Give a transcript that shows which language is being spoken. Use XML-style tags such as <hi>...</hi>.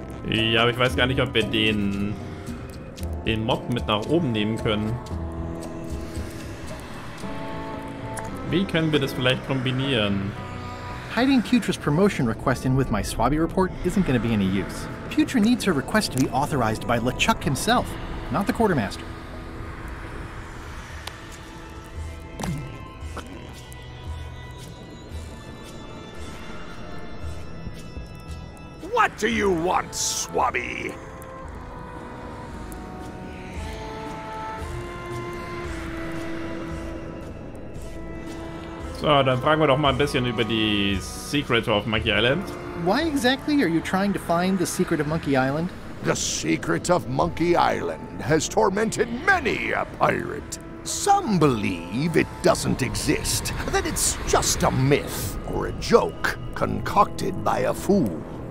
<de>Ja, aber ich weiß gar nicht, ob wir den Mob mit nach oben nehmen können. Wie können wir das vielleicht kombinieren?</de> <en>Hiding Putra's promotion request in with my swabby report isn't going to be any use. Putra needs her request to be authorized by LeChuck himself, not the quartermaster. What do you want, swabby?</en> <de>So, dann fragen wir doch mal ein bisschen über die Secret of Monkey Island.</de> <en>Why exactly are you trying to find the secret of Monkey Island? The secret of Monkey Island has tormented many a pirate. Some believe it doesn't exist, that it's just a myth or a joke concocted by a fool.</en>